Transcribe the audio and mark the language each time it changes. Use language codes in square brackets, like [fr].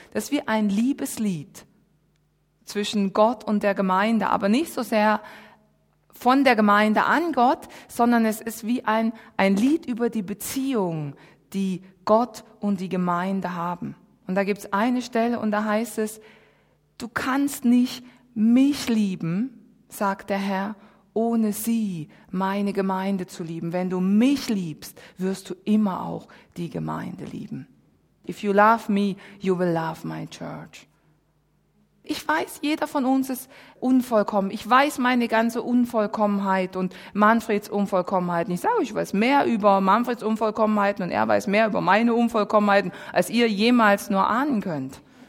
[de] Das ist wie ein Liebeslied zwischen Gott und der Gemeinde, aber nicht so sehr von der Gemeinde an Gott, sondern es ist wie ein Lied über die Beziehung, die Gott und die Gemeinde haben. Und da gibt's eine Stelle, und da heißt es, Du kannst nicht mich lieben, sagt der Herr, ohne sie, meine Gemeinde, zu lieben. Wenn du mich liebst, wirst du immer auch die Gemeinde lieben. [en] If you love me, you will love my church. [de] Ich weiß, jeder von uns ist unvollkommen. Ich weiß meine ganze Unvollkommenheit und Manfreds Unvollkommenheiten. Ich sage, ich weiß mehr über Manfreds Unvollkommenheiten und er weiß mehr über meine Unvollkommenheiten, als ihr jemals nur ahnen könnt.